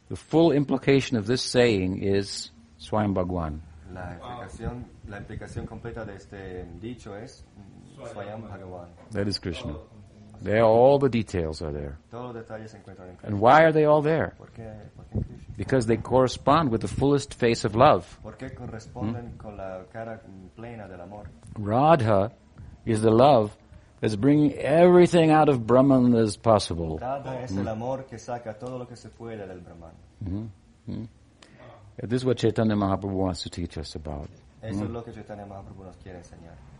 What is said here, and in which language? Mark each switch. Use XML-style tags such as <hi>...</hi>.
<en>The full implication of this saying is Swayam Bhagwan.</en> <es>La implicación completa de este dicho es Swayam Bhagwan.</es> <en>That is Krishna. There, all the details are there.</en> <es>Todos los detalles se encuentran en Krishna.</es> <en>And why are they all there?</en> <es>¿Por qué en Krishna?</es> <en>Because they correspond with the fullest face of love.</en> <es>¿Por qué corresponden con la cara plena del amor?</es> <en>Radha is the love that's bringing everything out of Brahman that is possible.</en> <es>Radha es el amor que saca todo lo que se puede del Brahman.</es> <en>This is what Chaitanya Mahaprabhu wants to teach us about.</en> <es>Eso es lo que Chaitanya Mahaprabhu nos quiere enseñar.</es>